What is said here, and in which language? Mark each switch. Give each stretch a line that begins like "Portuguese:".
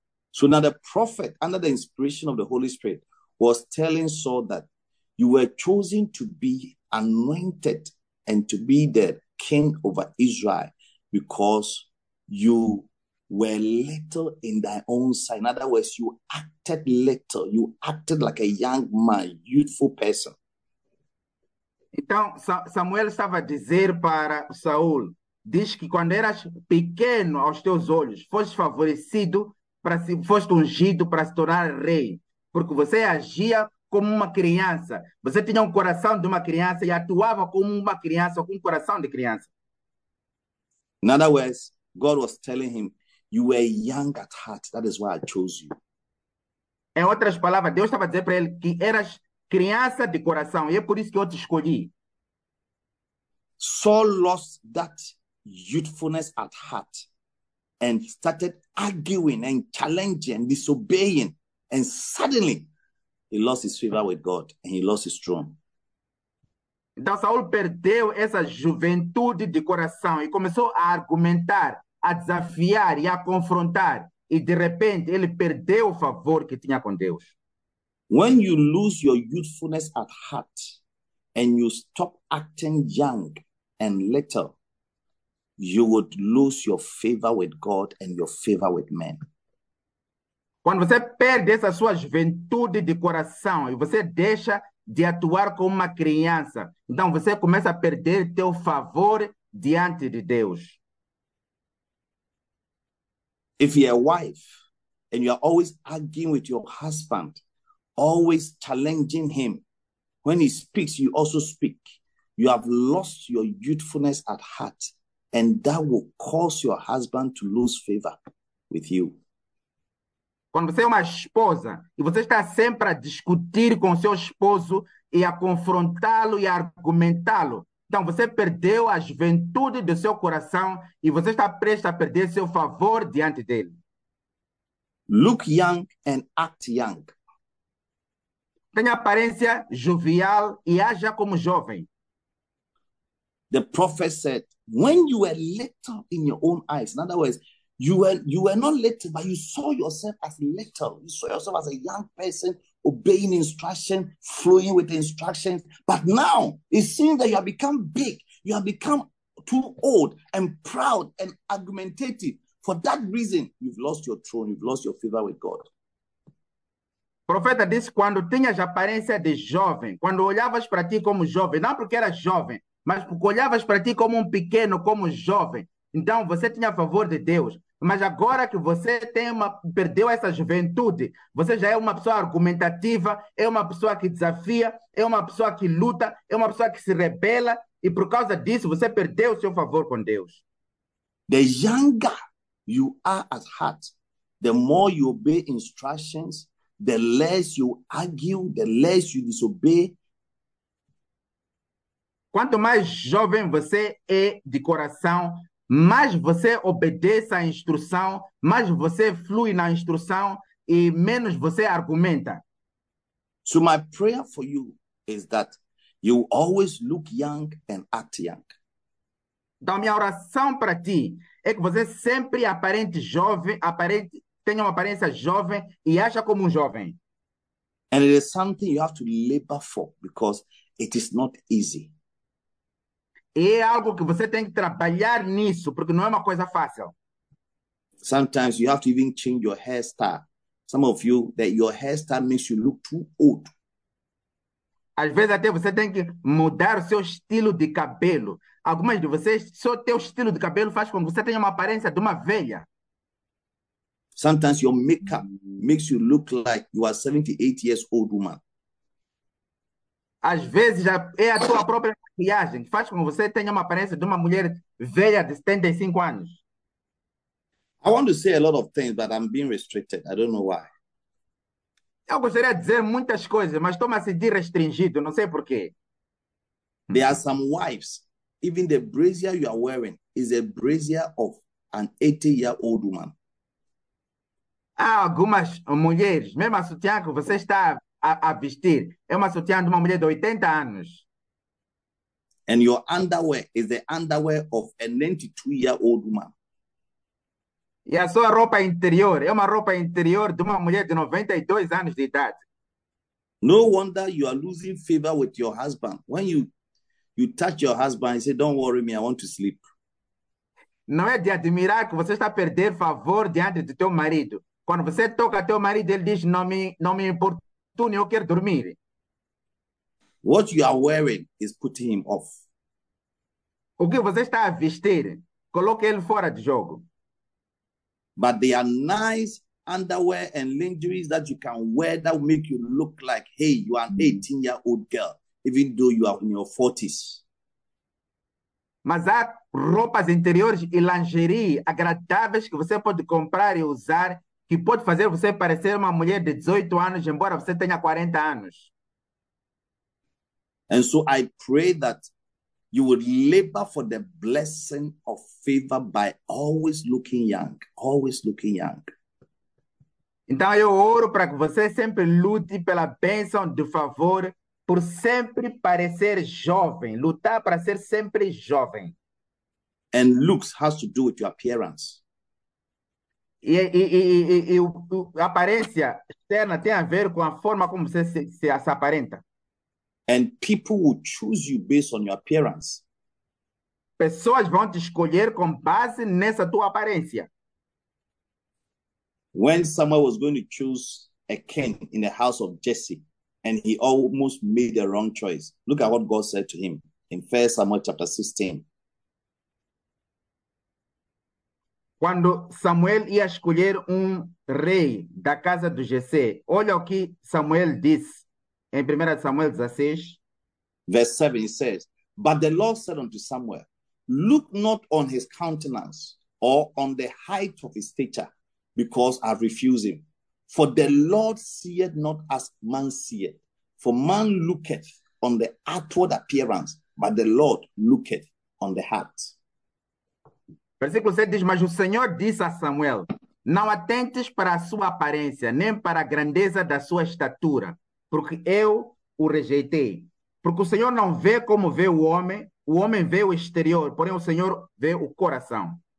English: So now the prophet, under the inspiration of the Holy Spirit, was telling Saul that you were chosen to be anointed and to be the king over Israel because you were little in thy own sight. In other words, you acted little. You acted like a young man, youthful person.
Portuguese: Então, Samuel estava a dizer para Saul, diz que quando eras pequeno aos teus olhos, foste favorecido, foste ungido para se tornar rei, porque você agia como uma criança. Você tinha um coração de uma criança e atuava como uma criança, com um coração de criança.
English: In other words, God was telling him, you were young at heart. That is why I chose you.
Portuguese: Em outras palavras, Deus estava a dizer para ele que eras criança de coração, e é por isso que eu te escolhi.
English: Saul lost that youthfulness at heart and started arguing and challenging and disobeying. And suddenly, he lost his favor with God and he lost his throne.
Portuguese: Então, Saul perdeu essa juventude de coração e começou a argumentar, a desafiar e a confrontar. E, de repente, ele perdeu o favor que tinha com Deus.
English: When you lose your youthfulness at heart and you stop acting young and little, you would lose your favor with God and your favor with men.
Portuguese: Quando você perde essa sua juventude de coração e você deixa de atuar como uma criança, então você começa a perder teu favor diante de Deus.
English: If you are a wife and you are always arguing with your husband, always challenging him. When he speaks, you also speak. You have lost your youthfulness at heart, and that will cause your husband to lose favor with you.
Portuguese: Quando você é uma esposa e você está sempre a discutir com seu esposo e a confrontá-lo e a argumentá-lo, então você perdeu a juventude do seu coração e você está prestes a perder seu favor diante dele.
English: Look young and act young.
Portuguese: Tenha aparência jovial e haja como jovem.
English: The prophet said, when you were little in your own eyes, in other words, you were not little, but you saw yourself as little. You saw yourself as a young person obeying instruction, flowing with instructions. But now it seems that you have become big, you have become too old and proud and argumentative. For that reason, you've lost your throne, you've lost your favor with God.
Portuguese: O profeta disse, quando tinhas aparência de jovem, quando olhavas para ti como jovem, não porque eras jovem, mas porque olhavas para ti como um pequeno, como jovem, então você tinha a favor de Deus. Mas agora que você perdeu essa juventude, você já é uma pessoa argumentativa, é uma pessoa que desafia, é uma pessoa que luta, é uma pessoa que se rebela, e por causa disso você perdeu o seu favor com Deus.
English: The younger you are at heart, the more you obey instructions, the less you argue, the less you disobey.
Portuguese: Quanto mais jovem você é de coração, mais você obedece à instrução, mais você flui na instrução e menos você argumenta.
English: So my prayer for you is that you always look young and act young.
Portuguese: Então, minha oração para ti é que você sempre aparente jovem, aparente tenha uma aparência jovem e haja como um jovem.
English: And it is something you have to labor for because it is not easy.
Portuguese: E é algo que você tem que trabalhar nisso, porque não é uma coisa fácil.
English: Sometimes you have to even change your hairstyle. Some of you, that your hairstyle makes you look too old.
Portuguese: Às vezes até você tem que mudar o seu estilo de cabelo. Algumas de vocês, só teu estilo de cabelo faz com que você tenha uma aparência de uma velha.
English: Sometimes your makeup makes you look like you are 78 years old woman.
Portuguese: Às vezes é a tua própria maquiagem que faz com que você tenha uma aparência de uma mulher velha de 75 anos.
English: I want to say a lot of things, but I'm being restricted. I don't know why.
Portuguese: Eu gostaria de dizer muitas coisas, mas estou-me a sentir restringido. Não sei porquê.
English: There are some wives, even the brazier you are wearing is a brazier of an 80-year-old woman.
Portuguese: Há algumas mulheres, mesmo a sutiã que você está a vestir, é uma sutiã de uma mulher de 80 anos.
English: And your underwear is the underwear of a 92-year-old woman.
Portuguese: E a sua roupa interior é uma roupa interior de uma mulher de 92 anos de idade.
English: No wonder you are losing favor with your husband. When you touch your husband, you say, don't worry me, I want to sleep.
Portuguese: Não é de admirar que você está a perder favor diante do teu marido. Quando você toca teu marido, ele diz: não me importune, eu quero dormir.
English: What you are wearing is putting him off.
Portuguese: O que você está a vestir? Coloque ele fora de jogo.
English: But they are nice underwear and lingeries that you can wear that will make you look like, hey, you are an 18-year-old girl, even though you are in your 40s.
Portuguese: Mas há roupas interiores e lingerie agradáveis que você pode comprar e usar, que pode fazer você parecer uma mulher de 18 anos, embora você tenha 40 anos.
English: And so I pray that you would labor for the blessing of favor by always looking young, always looking young.
Portuguese: Então eu oro para que você sempre lute pela bênção do favor. Por sempre parecer jovem, lutar para ser sempre jovem.
English: And looks has to do with your appearance.
Portuguese: E a aparência externa tem a ver com a forma como você se aparenta.
English: And people will choose you based on your appearance.
Portuguese: Pessoas vão te escolher com base nessa tua aparência.
English: When Samuel was going to choose a king in the house of Jesse, and he almost made the wrong choice, look at what God said to him in 1 Samuel chapter 16.
Portuguese: Quando Samuel ia escolher um rei da casa do Jessé, olha o que Samuel disse em 1 Samuel 16.
English: Verse 7 says, But the Lord said unto Samuel, Look not on his countenance or on the height of his stature, because I refuse him. For the Lord seeth not as man seeth. For man looketh on the outward appearance, but the Lord looketh on the heart.
Portuguese: Versículo 7 diz: Mas o Senhor disse a Samuel: Não atentes para a sua aparência, nem para a grandeza da sua estatura, porque eu o rejeitei. Porque o Senhor não vê como vê o homem vê o exterior, porém o Senhor vê o coração.